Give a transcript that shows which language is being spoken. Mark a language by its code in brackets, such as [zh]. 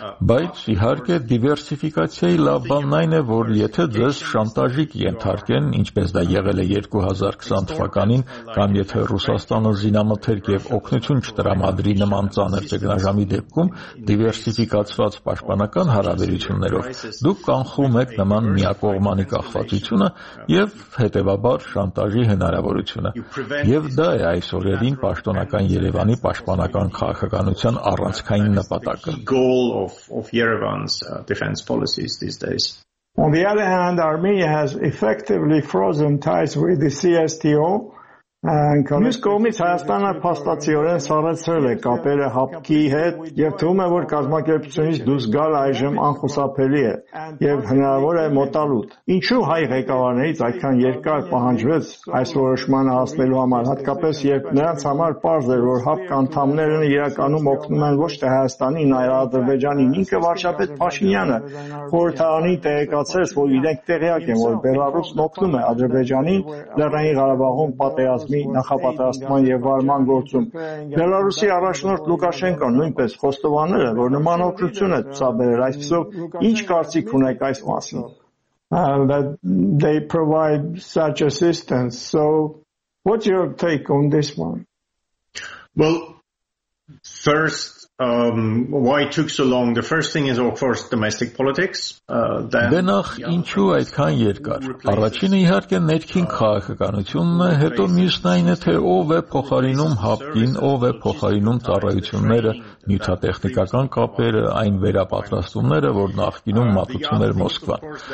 [hy] բայց իհարկե դիվերսիֆիկացիայի լավ բանն այն է, որ եթե ձեզ շանտաժիկ ենթարկեն, ինչպես դա եղել է 2020 թվականին, կամ եթե Ռուսաստանը զինամթերք եւ օգնություն չտրամադրի նման ծանր ճգնաժամի դեպքում դիվերսիֆիկացված պաշտպանական հարաբերություններով, դուք կանխում եք նման միակողմանի կախվածությունը եւ հետեւաբար շանտաժի հնարավորությունը։ Եվ դա է այսօրերին պաշտոնական Երևանի պաշտպանական քաղաքականության առանցքային նպատակը։ [en] Goal of Yerevan's defense policies these days. On the other hand, Armenia has effectively frozen ties with the CSTO. [hy] Մյուս կողմից Հայաստանը փաստացիորեն սառեցրել է կապերը ՀԱՊԿ-ի հետ եւ թվում է, որ կազմակերպությունից դուրս գալը այժմ անխուսափելի է եւ հնարավոր է մոտալուտ։ Ինչու հայ ղեկավարներից այդքան երկար պահանջվեց այս որոշմանը հասնելու համար, հատկապես երբ նրանց համար պարզ էր, որ ՀԱՊԿ անդամներն իրականում օգնում են ոչ թե Հայաստանին, այլ Ադրբեջանին։ Ինքը վարչապետ Փաշինյանը խորհրդարանի տեղեկացրեց, որ իրենք տեղյակ են, որ Բելարուսն օգնում է Ադրբեջանին Լեռնային Ղարաբաղում պատերազմի նախապատրաստման եւ վարման գործում։ Բելարուսի առաջնորդ Լուկաշենկո նույնպես խոստովանել է, որ նման օգնություն է ցուցաբերել։ Այսպեսով, ինչ կարծիք ունեք այս մասին? [en] They provide such assistance. So, what's your take on this one? Well, first, why it took so long? The first thing is, of course, domestic politics. [hy] Then, ինչու այդքան երկար? Առաջինը իհարկե ներքին քաղաքականությունն է, հետո մյուսն այն է, թե ով է փոխարինում ՀԱՊԿ-ին, ով է փոխարինում ծառայությունները, նյութատեխնիկական կապերը, այն վերապատրաստումները, որ նախկինում մատուցում էր Մոսկվան։